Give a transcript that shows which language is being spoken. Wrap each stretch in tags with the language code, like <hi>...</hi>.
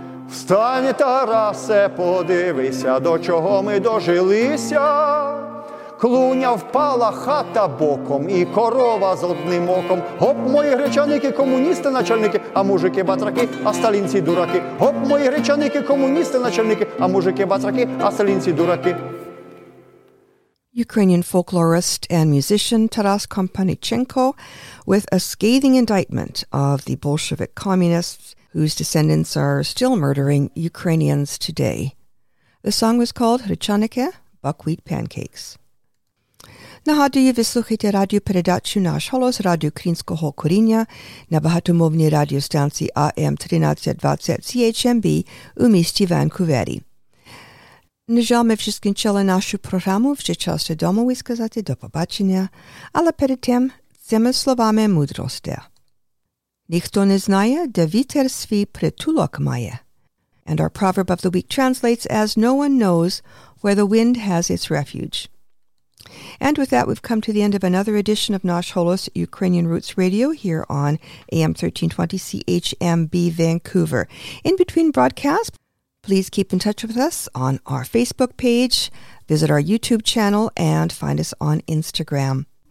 <uk>Встань, Тарасе, подивися, до чого ми дожилися. Клуня впала, хата боком, і корова з одним оком. Гоп, мої гречаники, комуністи, начальники, а мужики, батраки, а сталінці, дураки. Гоп, мої гречаники, комуністи, начальники, а мужики, батраки, а сталінці, дураки.</uk> <en>Ukrainian folklorist and musician Taras Kompanichenko with a scathing indictment of the Bolshevik communists whose descendants are still murdering Ukrainians today. The song was called Hrechanike, Buckwheat Pancakes.</en> <uk>Нагадую, ви слухаєте радіопередачу «Наш голос» Радіо Українського коріння на багатомовній радіостанції АМ 1320 CHMB у місті Ванкувері. На жаль, ми вже скінчили нашу програму, вже час додому і сказати до побачення, але перед тим цими словами мудрості. Ніхто не знає, де вітер свій притулок має.</uk> <en>And our proverb of the week translates as no one knows where the wind has its refuge. And with that, we've come to the end of another edition of Nash Holos Ukrainian Roots Radio here on AM 1320 CHMB Vancouver. In between broadcasts, please keep in touch with us on our Facebook page, visit our YouTube channel, and find us on Instagram.</en>